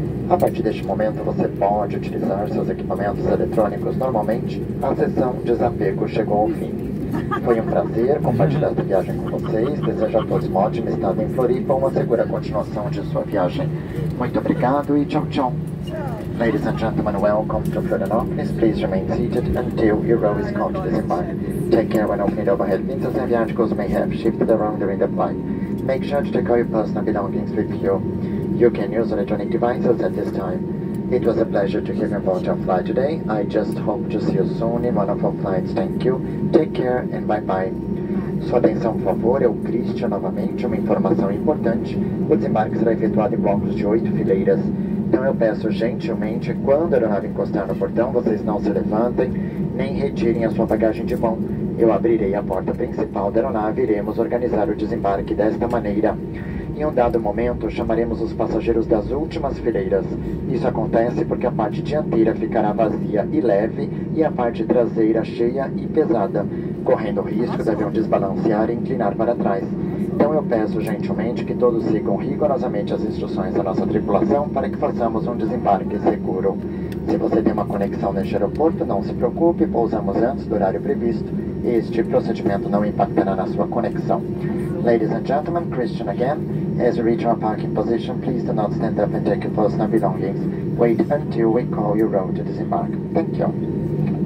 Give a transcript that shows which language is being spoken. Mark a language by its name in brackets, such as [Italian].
[Portuguese] A partir deste momento, você pode utilizar seus equipamentos eletrônicos normalmente. A sessão desapego chegou ao fim. Foi um prazer compartilhar essa viagem com vocês. Desejo a todos uma ótima estada em Floripa, uma segura continuação de sua viagem. Muito obrigado e tchau, tchau. [English] Ladies and gentlemen, welcome to Florianópolis. Please remain seated until your row is called to disembark. Take care when opening the overhead means that aviaticals may have shifted around during the flight. Make sure to take all your personal belongings with you. You can use electronic devices at this time. It was a pleasure to hear about your flight today. I just hope to see you soon in one of our flights. Thank you. Take care and bye-bye. [Portuguese] Sua atenção, por favor. É o Christian novamente. Uma informação importante. O desembarque será efetuado em blocos de 8 fileiras. Então eu peço gentilmente, quando a aeronave encostar no portão, vocês não se levantem, nem retirem a sua bagagem de mão. Eu abrirei a porta principal da aeronave e iremos organizar o desembarque desta maneira. Em um dado momento, chamaremos os passageiros das últimas fileiras. Isso acontece porque a parte dianteira ficará vazia e leve e a parte traseira cheia e pesada, correndo o risco de avião desbalancear e inclinar para trás. Então eu peço gentilmente que todos sigam rigorosamente as instruções da nossa tripulação para que façamos um desembarque seguro. Se você tem uma conexão neste aeroporto, não se preocupe, pousamos antes do horário previsto. Este procedimento não impactará na sua conexão. [English] Ladies and gentlemen, Christian again. As you reach our parking position, please do not stand up and take your personal belongings. Wait until we call your row to disembark. Thank you.